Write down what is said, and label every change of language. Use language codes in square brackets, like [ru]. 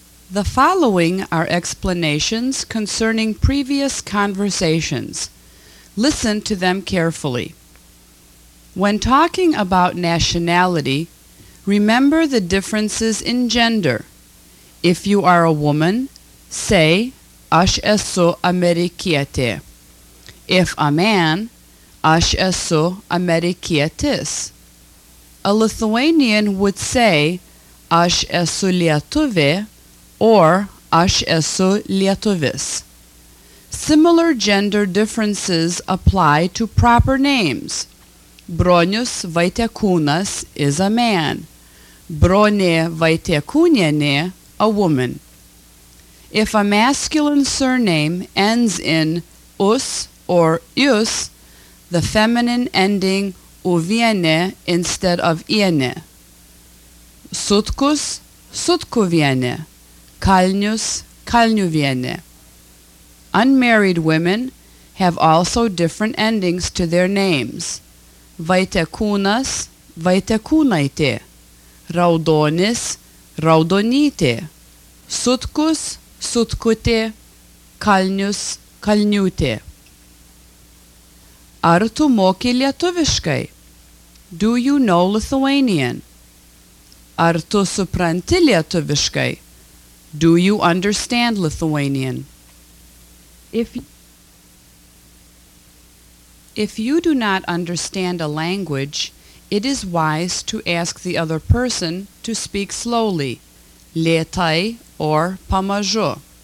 [en] The following are explanations concerning previous conversations. Listen to them carefully. When talking about nationality, remember the differences in gender. If you are a woman, say, [lt] aš esu amerikietė. [en] If a man, [lt] aš esu amerikietis. [en] A Lithuanian would say, [lt] aš esu lietuvė, [en] or [lt] aš esu lietuvis. [en] Similar gender differences apply to proper names. Bronius Vaitekūnas is a man. Bronė Vaitekūnienė, a woman. If a masculine surname ends in us or ius, the feminine ending uvienė instead of ienė. [lt] Sutkus, sutkuvienė. Kalnius, kalniuvienė. [en] Unmarried women have also different endings to their names. [lt] Vaitekūnas, vaitekūnaitė. Raudonis, raudonytė. Sutkus, sutkutė. Kalnius, kalniutė. Ar tu moki lietuviškai? [en] Do you know Lithuanian? [lt] Ar tu supranti lietuviškai? [en] Do you understand Lithuanian? If you do not understand a language, it is wise to ask the other person to speak slowly, [lt] lėtai [en] or [lt] pamažu.